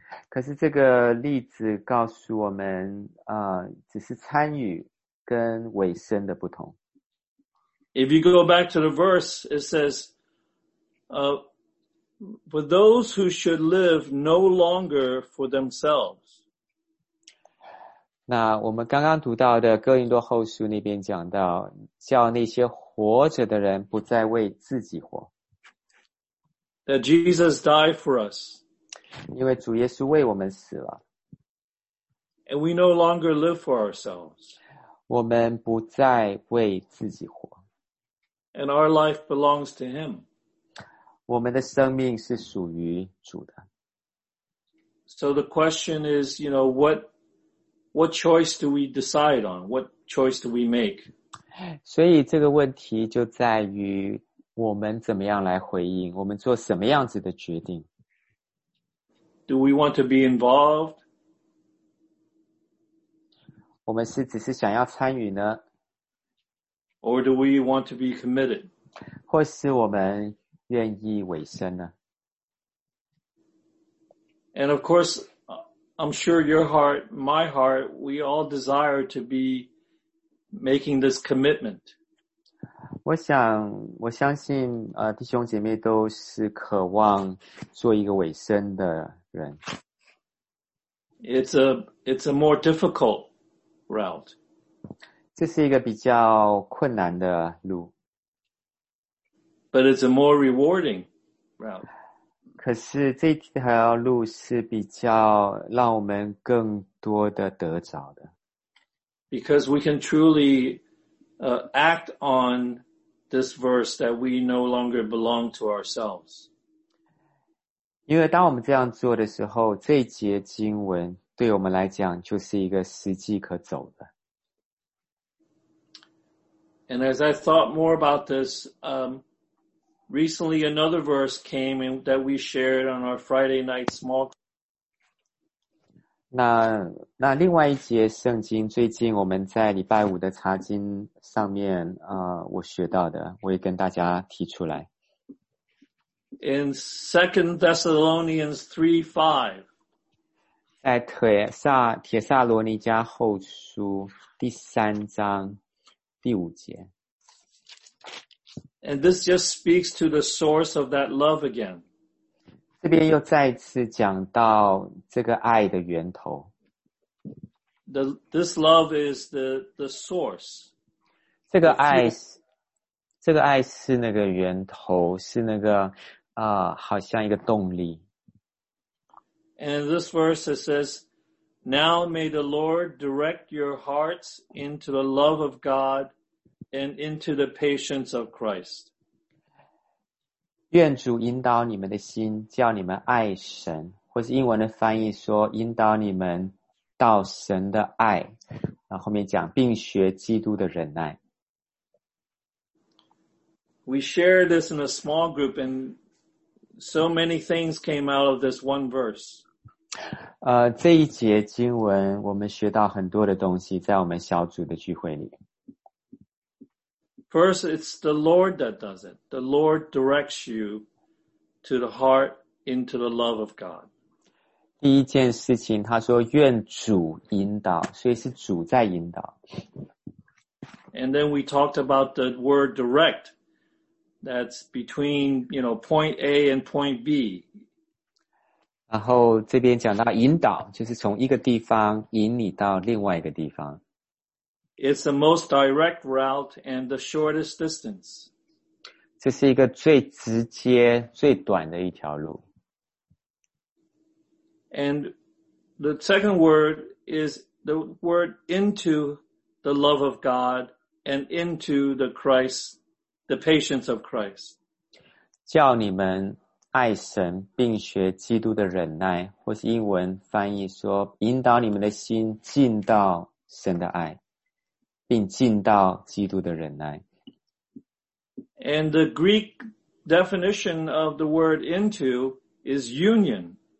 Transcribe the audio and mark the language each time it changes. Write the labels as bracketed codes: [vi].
[zh] 可是这个例子告诉我们只是参与跟委身的不同。 [en] If you go back to the verse, it says, for those who should live no longer for themselves. [zh] 那我们刚刚读到的哥林多后书那边讲到，叫那些活着的人不再为自己活。 [en] That Jesus died for us. [zh] 因为主耶稣为我们死了。 [en] And we no longer live for ourselves. [zh] 我们不再为自己活。 [en] And our life belongs to Him. [zh] 我们的生命是属于主的。 [en] So the question is, you know, what choice do we decide on? What choice do we make? [zh] 所以这个问题就在于我们怎么样来回应，我们做什么样子的决定。 [en] Do we want to be involved? [zh] 我们是只是想要参与呢？ [en] Or do we want to be committed? [zh] 或是我们愿意委身呢？ [en] And of course, I'm sure your heart, my heart, we all desire to be making this commitment. [zh] 我相信弟兄姐妹都是渴望做一个委身的人。 [en] It's a more difficult route. [zh] 这是一个比较困难的路。 [en] But it's a more rewarding route. [zh] 可是这条路是比较让我们更多的得着的。 [en] Because we can truly, act on this verse that we no longer belong to ourselves. [zh] 因为当我们这样做的时候，这节经文对我们来讲就是一个实际可走的。 [en] And as I thought more about this, recently another verse came in that we shared on our Friday night small group. [zh] 那另外一节圣经最近我们在礼拜五的查经上面我学到的，我也跟大家提出来。 [en] In 2 Thessalonians 3:5. [zh] 在帖撒罗尼迦后书第三章第五节。 [en] And this just speaks to the source of that love again. [zh] 这边又再次讲到这个爱的源头。 [en] This love is the source. [zh] 这个爱是那个源头，是那个好像一个动力。 [en] And this verse it says, Now may the Lord direct your hearts into the love of God. And into the patience of Christ. [zh] 愿主引导你们的心，叫你们爱神，或是英文的翻译说引导你们到神的爱，然后后面讲并学基督的忍耐。 [en] We shared this in a small group and so many things came out of this one verse. [zh] 这一节经文我们学到很多的东西在我们小组的聚会里。 [en] First, it's the Lord that does it. The Lord directs you to the heart into the love of God. [zh] 第一件事情他说愿主引导，所以是主在引导。 [en] And then we talked about the word direct. That's between, you know, point A and point B. [zh] 然后这边讲到引导，就是从一个地方引你到另外一个地方。 [en] It's the most direct route and the shortest distance. [zh] 这是一个最直接最短的一条路。 [en] And the second word is the word into the love of God and into the Christ, the patience of Christ. [zh] 叫你们爱神并学基督的忍耐，或是英文翻译说引导你们的心进到神的爱。并进到基督的忍耐。 [en] And the Greek definition of the word into is union.